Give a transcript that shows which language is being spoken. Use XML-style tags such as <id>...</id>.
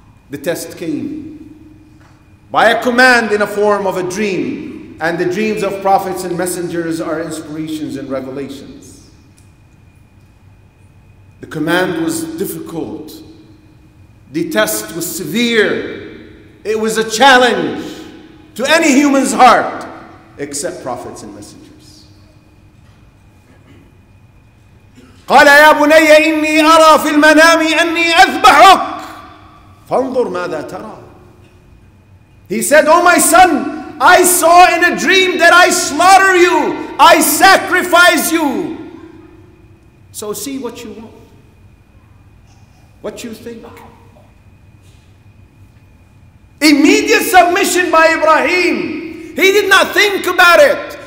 <en>the test came by a command in a form of a dream, and the dreams of prophets and messengers are inspirations and revelations. The command was difficult. The test was severe. It was a challenge to any human's heart except prophets and messengers.</en> <ar>قال يا بني إني أرى في المنام أني أذبحك فانظر ماذا ترى.</ar> <en>He said, oh my son, I saw in a dream that I slaughter you, I sacrifice you. So see what you want, what you think. Immediate submission by Ibrahim. He did not think about it.</en>